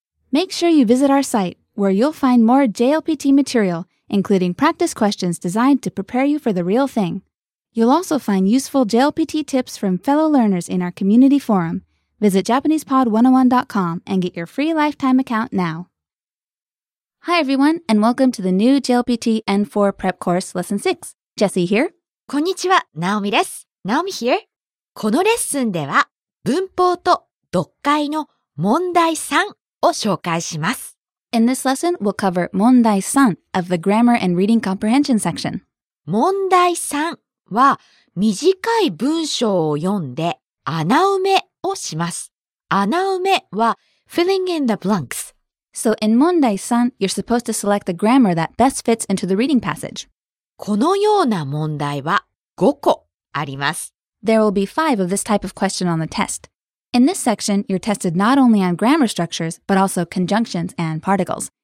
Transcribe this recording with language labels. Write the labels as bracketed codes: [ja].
[en] Make sure you visit our site, where you'll find more JLPT material, including practice questions designed to prepare you for the real thing. You'll also find useful JLPT tips from fellow learners in our community forum. Visit JapanesePod101.com and get your free lifetime account now. Hi everyone, and welcome to the new JLPT N4 Prep Course Lesson 6. Jessie here. [ja] こんにちは、ナオミです。 [en] Naomi here. [ja] このレッスンでは文法と読解の問題3を紹介します。 [en] In this lesson, we'll cover 問題3 of the grammar and reading comprehension section. [ja] 問題3は短い文章を読んで穴埋めをします。穴埋めは filling in the blanks. [en] So in 問題3, you're supposed to select the grammar that best fits into the reading passage. [ja] このような問題は5個。 [en] There will be 5 of this type of question on the test. In this section, you're tested not only on grammar structures, but also conjunctions and particles.